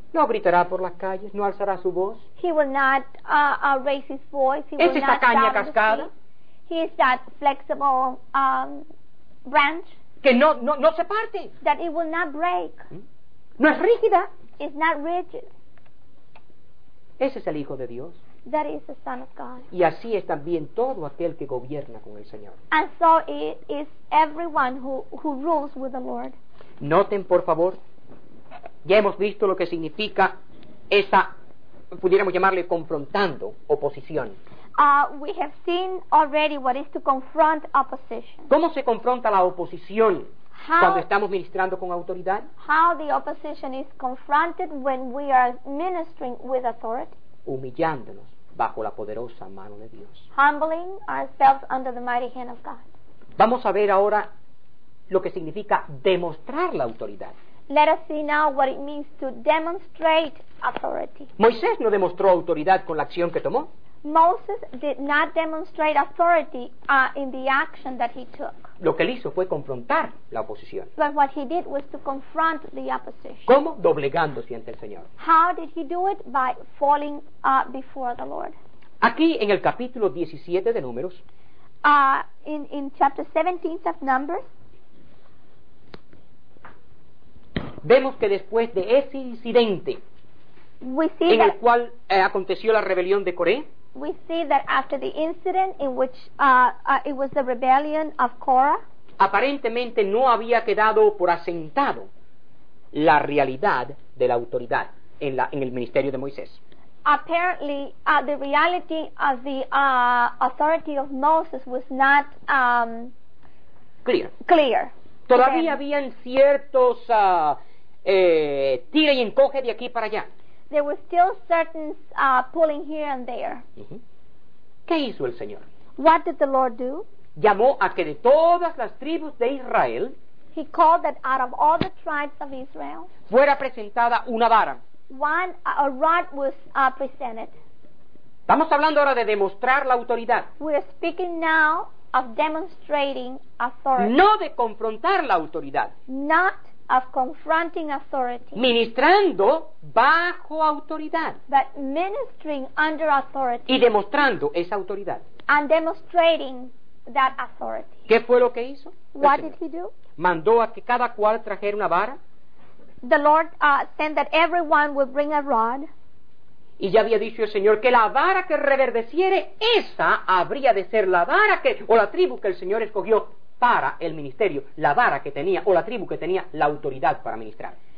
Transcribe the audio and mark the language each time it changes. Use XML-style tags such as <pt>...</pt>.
<es>No gritará por las calles, no alzará su voz.</es> <en>He will not raise his voice. He</en> <es>es</es> <en>will</en> <es>esta</es> <en>not</en> <es>caña cascada.</es> <en>He is that flexible branch.</en> <es>Que no se parte.</es> <en>That it will not break.</en> <es>No es rígida.</es> <en>It's not rigid.</en> <es>Ese es el Hijo de Dios.</es> <en>That is the Son of God.</en> <es>Y así es también todo aquel que gobierna con el Señor.</es> <en>And so it is everyone who rules with the Lord.</en> <es>Noten, por favor. Ya hemos visto lo que significa esa, pudiéramos llamarle confrontando, oposición.</es> <en>We have seen already what is to confront opposition.</en> <es>¿Cómo se confronta la oposición cuando estamos ministrando con autoridad?</es> <en>How the opposition is confronted when we are ministering with authority?</en> <es>Humillándonos bajo la poderosa mano de Dios.</es> <en>Humbling ourselves under the mighty hand of God.</en> <es>Vamos a ver ahora lo que significa demostrar la autoridad.</es> <en>Let us see now what it means to demonstrate authority.</en> <es>Moisés no demostró autoridad con la acción que tomó.</es> <en>Moses did not demonstrate authority in the action that he took.</en> <es>Lo que él hizo fue confrontar la oposición.</es> <en>But what he did was to confront the opposition.</en> <es>¿Cómo? Doblegándose ante el Señor.</es> <en>How did he do it? By falling before the Lord.</en> <es>Aquí en el capítulo 17 de Números.</es> <en>In chapter 17 of Numbers.</en> <es>Vemos que después de ese incidente en el cual aconteció la rebelión de Coré,</es> <en>we see that after the incident in which it was the rebellion of Korah,</en> <es>aparentemente no había quedado por asentado la realidad de la autoridad en el ministerio de Moisés.</es> <en>Apparently, the reality of the authority of Moses was not clear.</en> <es>Todavía habían ciertos tira y encoge de aquí para allá.</es> <en>There were still certain pulling here and there.</en> <es>¿Qué hizo el Señor?</es> <en>What did the Lord do?</en> <es>Llamó a que de todas las tribus de Israel,</es> <en>he called that out of all the tribes of Israel,</en> <es>fuera presentada una vara.</es> <en>A rod was presented.</en> <es>Estamos hablando ahora de demostrar la autoridad.</es> <en>We are speaking now of demonstrating authority.</en> <es>No de confrontar la autoridad.</es> <en>Not of confronting authority.</en> <es>Ministrando bajo autoridad.</es> <en>But ministering under authority.</en> <es>Y demostrando esa autoridad.</es> <en>And demonstrating that authority.</en> <es>¿Qué fue lo que hizo?</es> <en>What did he do?</en> <es>Mandó a que cada cual trajera una vara.</es> <en>The Lord sent that everyone would bring a rod.</en> <es>Y ya había dicho el Señor que la vara que reverdeciere, esa habría de ser la vara que, o la tribu que el Señor escogió para el ministerio, la vara que tenía, o la tribu que tenía la autoridad para ministrar.</es>